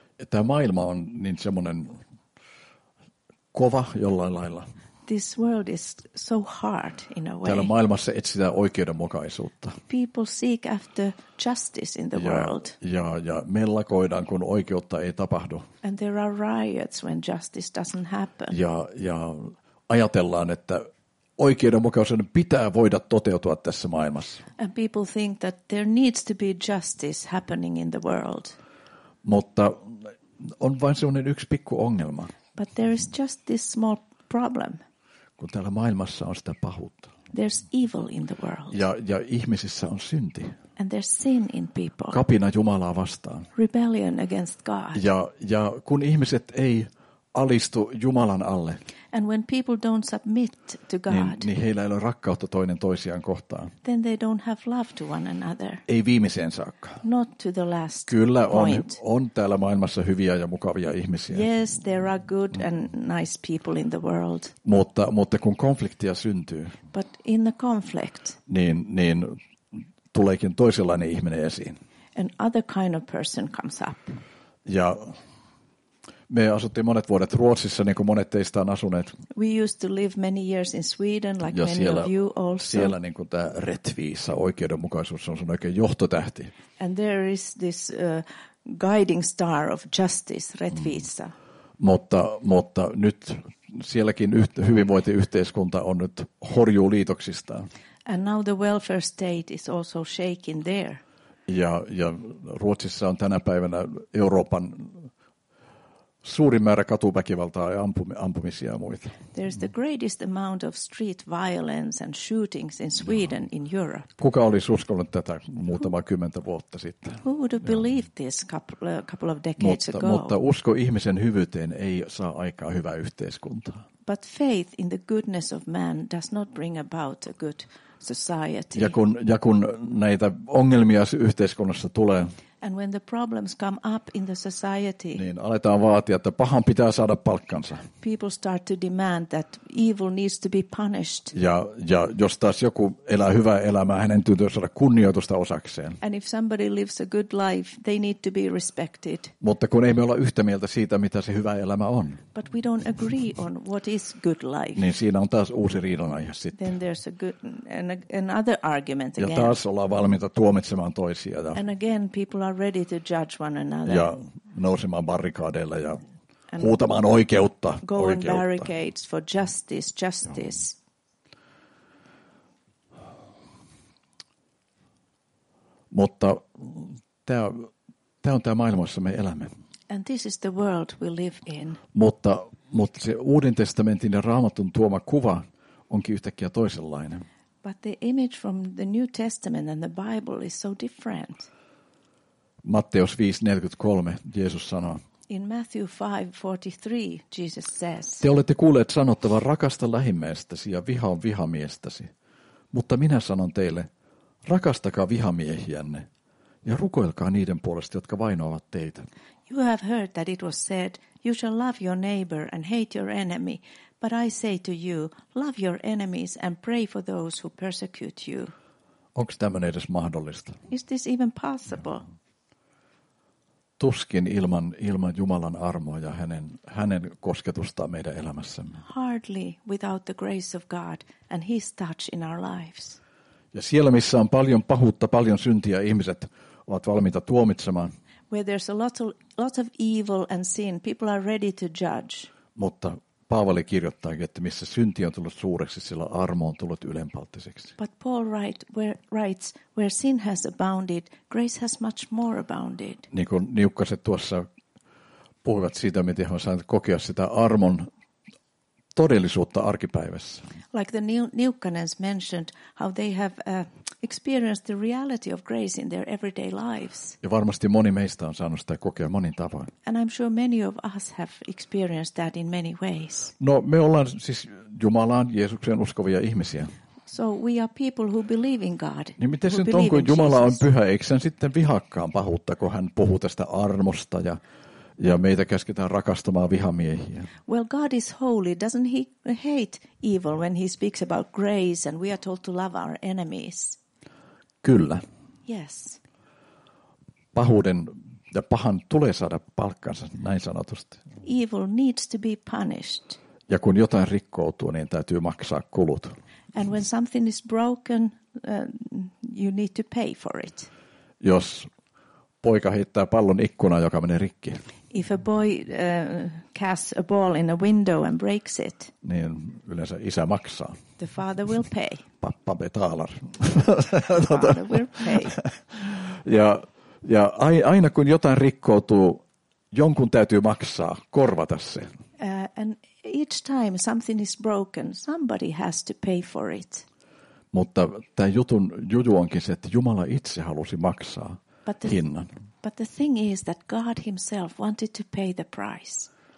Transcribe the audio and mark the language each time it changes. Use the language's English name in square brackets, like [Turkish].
[Finnish] Tämä maailma on niin semmoinen kova jollain lailla. [English] This world is so hard in a way. [Finnish] Täällä maailmassa etsitään oikeudenmukaisuutta. [English] People seek after justice in the world. [Finnish] Ja mellakoidaan, kun oikeutta ei tapahdu. [English] And there are riots when justice doesn't happen. [Finnish] Ja ajatellaan, että oikeudenmukaisuuden pitää voida toteutua tässä maailmassa. [English] And people think that there needs to be justice happening in the world. [Finnish] Mutta on vain sellainen yksi pikku ongelma. [English] But there is just this small problem. [Finnish] Kun täällä maailmassa on sitä pahuutta. [English] There's evil in the world. [Finnish] Ja ihmisissä on synti. [English] And there's sin in people. [Finnish] Kapina Jumalaa vastaan. [English] Rebellion against God. [Finnish] Ja kun ihmiset ei alistu Jumalan alle. [English] And when people don't submit to God, [Finnish] niin heillä ei ole rakkautta toinen toisiaan kohtaan. [English] Then they don't have love to one another. [Finnish] Ei viimeiseen saakka. [English] Not to the last. [Finnish] Kyllä on point. On täällä maailmassa hyviä ja mukavia ihmisiä. [English] Yes, there are good and nice people in the world. [Finnish] Mutta kun konfliktia syntyy. [English] But in the conflict. [Finnish] Niin tuleekin toisenlainen ihminen esiin. [English] An other kind of person comes up. [Finnish] Ja me asuttiin monet vuodet Ruotsissa, niin kuin monet teistä on asuneet. [English] We used to live many years in Sweden, like many of you also. [Finnish] Ja siellä niin kuin tämä retviisa, oikeudenmukaisuus on sun oikein johtotähti. [English] And there is this guiding star of justice, retviisa. Mm. [Finnish] Mutta nyt sielläkin hyvinvointiyhteiskunta on nyt horjuu liitoksistaan. [English] And now the welfare state is also shaking there. [Finnish] Ja Ruotsissa on tänä päivänä Euroopan suurin määrä katuväkivaltaa ja ampumisia ja muita. [English] There's the greatest amount of street violence and shootings in Sweden, in Europe. [Finnish] Kuka olisi uskonut tätä muutama kymmentä vuotta sitten? [English] Who would have believed this couple of decades ago? [Finnish] Mutta usko ihmisen hyvyyteen ei saa aikaa hyvää yhteiskuntaa. [English] But faith in the goodness of man does not bring about a good society. [Finnish] Ja kun näitä ongelmia yhteiskunnassa tulee, [English] and when the problems come up in the society, [Finnish] niin aletaan vaatia, että pahan pitää saada palkkansa. [English] People start to demand that evil needs to be punished. [Finnish] Ja jos taas joku elää hyvää elämää, hänen täytyy saada kunnioitusta osakseen. [English] And if somebody lives a good life, they need to be respected. [Finnish] Mutta kun ei me olla yhtä mieltä siitä, mitä se hyvä elämä on. [English] But we don't agree on what is good life. [Finnish] Niin siinä on taas uusi riidanaihe sitten. [English] Then there's a good another argument again. [Finnish] Ja taas ollaan valmiita tuomitsemaan toisia. [English] And again, people are ready to judge one another. [Finnish] Ja nousemaan barrikaadeilla ja huutamaan oikeutta. [English] Go on barricades for justice. [Finnish] Mutta tämä on tämä maailma, jossa me elämme. [English] And this is the world we live in. [Finnish] Mutta se Uuden testamentin ja Raamatun tuoma kuva onkin yhtäkkiä toisenlainen. [English] But the image from the New Testament and the Bible is so different. [Finnish] Matteus 5:43 Jeesus sanoo. [English] In Matthew 5:43 Jesus says. [Finnish] Te olette kuulleet sanottavan rakasta lähimmäistäsi ja viha on vihamiestäsi. Mutta minä sanon teille, rakastakaa vihamiehiänne ja rukoilkaa niiden puolesta, jotka vainoavat teitä. [English] You have heard that it was said, you shall love your neighbor and hate your enemy. But I say to you, love your enemies and pray for those who persecute you. [Finnish] Onko tämmöinen edes mahdollista? [English] Is this even possible? [Finnish] Tuskin ilman Jumalan armoa ja hänen kosketustaan meidän elämässämme. [English] Hardly without the grace of God and his touch in our lives. [Finnish] Ja siellä, missä on paljon pahuutta, paljon syntiä, ihmiset ovat valmiita tuomitsemaan. [English] Where there's a lot of evil and sin, people are ready to judge. [Finnish] Mutta Paavali kirjoittaa, että missä synti on tullut suureksi, sillä armo on tullut ylenpalttiseksi. [English] But Paul writes, where sin has abounded, grace has much more abounded. [Finnish] Niin kuin Niukkaset tuossa puhuvat siitä, miten hän saa kokea sitä armon todellisuutta arkipäivässä. [English] Like the Niukkanens mentioned, how they have experienced the reality of grace in their everyday lives. [Finnish] Ja varmasti moni meistä on saanut sitä kokea monin tavoin. [English] And I'm sure many of us have experienced that in many ways. [Finnish] No, me ollaan siis Jumalaan, Jeesukseen uskovia ihmisiä. [English] So we are people who believe in God. [Finnish] Niin miten sen on, kun Jumala on pyhä, eikö sen sitten vihakkaan pahuutta, kun hän puhuu tästä armosta ja meitä käsketään rakastamaan vihamiehiä. [English] Well, God is holy. Doesn't he hate evil when he speaks about grace and we are told to love our enemies? [Finnish] Kyllä. [English] Yes. [Finnish] Pahuuden ja pahan tulee saada palkkansa, näin sanotusti. [English] Evil needs to be punished. [Finnish] Ja kun jotain rikkoutuu, niin täytyy maksaa kulut. [English] And when something is broken, you need to pay for it. [Finnish] Jos poika heittää pallon ikkunaan, joka menee rikki. [English] If a boy casts a ball in a window and breaks it. [Finnish] Niin yleensä isä maksaa. [English] The father will pay. [Swedish] Pappa betalar. [English] The father will pay. [Finnish] Ja aina kun jotain rikkoutuu, jonkun täytyy maksaa, korvata se. [English] And each time something is broken, somebody has to pay for it. [Finnish] Mutta tämän jutun juju onkin se, että Jumala itse halusi maksaa. [English] But the thing is that God himself wanted to pay the price.